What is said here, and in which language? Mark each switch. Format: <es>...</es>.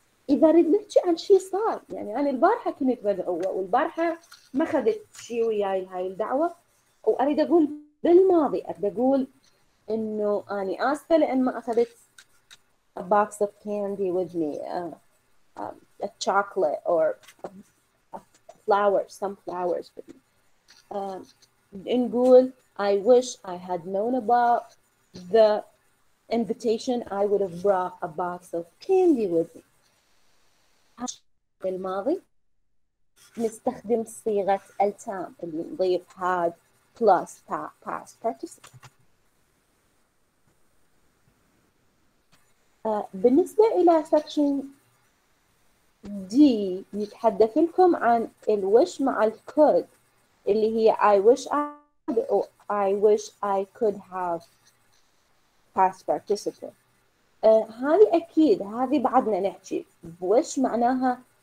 <ar>اذا اريد نحكي عن شيء صار يعني انا البارحة كنت مدعوة والبارحة ما خذت شيء وياي هاي الدعوة واريد اقول بالماضي اريد اقول انه انا اسفة لان ما اخذت</ar> <en>a box of candy with me a chocolate or a flower, some flowers.</en> <ar>نقول</ar> <en>I wish I had known about the invitation. I would have brought a box of candy with me.</en> <ar>في الماضي نستخدم صيغة التام اللي نضيف had plus past participle. بالنسبة إلى section دي يتحدث لكم عن الوش مع الكود اللي هي</ar> <en>I wish I had or I wish I could have past participle</en> <ar>هذه أكيد هذه بعدنا نحكي وش معناها</ar>